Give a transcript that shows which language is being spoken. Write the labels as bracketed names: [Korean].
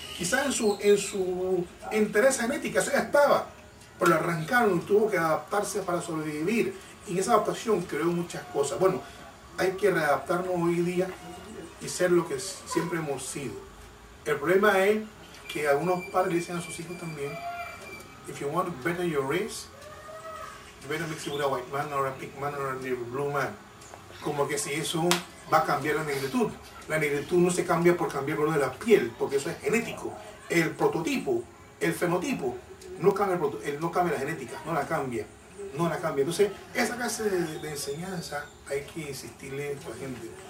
[Spanish] Quizás en su interés genética, eso ya estaba. Pero lo arrancaron, tuvo que adaptarse para sobrevivir. Y en esa adaptación creó muchas cosas. Bueno, hay que readaptarnos hoy día y ser lo que siempre hemos sido. El problema es que algunos padres dicen a sus hijos también, [English] if you want to better your race, you better mix it with a white man or a pink man or a navy blue man. [Spanish] Como que si eso va a cambiar la negritud. La negritud no se cambia por cambiar el color de la piel, porque eso es genético. El prototipo, el fenotipo, no cambia, no cambia la genética, no la cambia. No la cambia. Entonces, esa clase de enseñanza hay que insistirle a la gente.